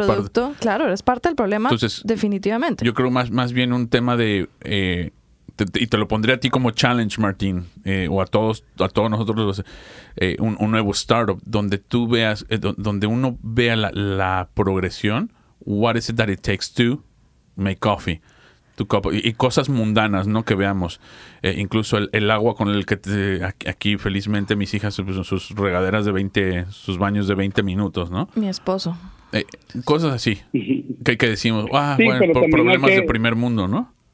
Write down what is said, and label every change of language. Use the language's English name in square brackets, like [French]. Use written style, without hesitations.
[Spanish] parte. Claro, eres parte del problema. Entonces, definitivamente. Yo creo más bien un tema de. Te lo pondré a ti como challenge, Martín, o a todos nosotros, un nuevo startup, donde tú veas, donde uno vea la progresión. [English] What is it that it takes to make coffee? [Spanish] Tu copa, y cosas mundanas, ¿no? Que veamos. Incluso el agua con el que aquí, felizmente, mis hijas, sus regaderas de 20, sus baños de 20 minutos, ¿no? Mi esposo. Cosas así. Que decimos, por problemas de primer mundo, ¿no?